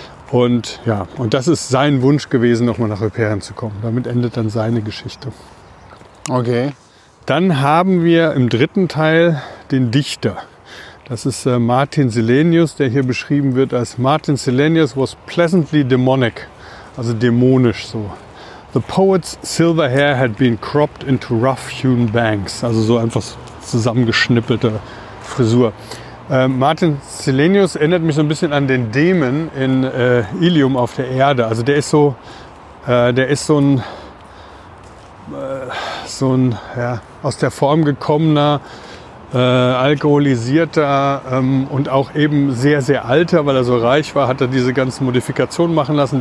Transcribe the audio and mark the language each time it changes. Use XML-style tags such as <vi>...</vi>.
<de>Und ja, und das ist sein Wunsch gewesen, nochmal nach Hyperion zu kommen. Damit endet dann seine Geschichte. Okay. Dann haben wir im dritten Teil den Dichter. Das ist Martin Silenius, der hier beschrieben wird als:</de> <en>Martin Silenius was pleasantly demonic,</en> <de>also dämonisch so.</de> <en>The poet's silver hair had been cropped into rough-hewn bangs,</en> <de>also so einfach zusammengeschnippelte Frisur. Martin Silenius erinnert mich so ein bisschen an den Dämon in Ilium auf der Erde. Also der ist so ein aus der Form gekommener, alkoholisierter und auch eben sehr, sehr alter, weil er so reich war, hat er diese ganzen Modifikationen machen lassen.</de>